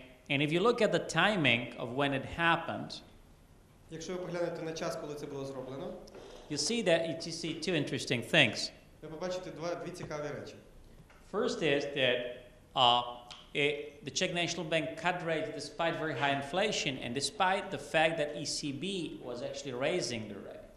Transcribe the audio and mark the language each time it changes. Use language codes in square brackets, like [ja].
[en] And if you look at the timing of when it happened, [uk] якщо ви поглянете на час, коли це було зроблено, [en] you see two interesting things. [uk] Ви побачите дві цікаві речі. [en] First is that the Czech National Bank cut rates despite very high inflation and despite the fact that ECB was actually raising the rates.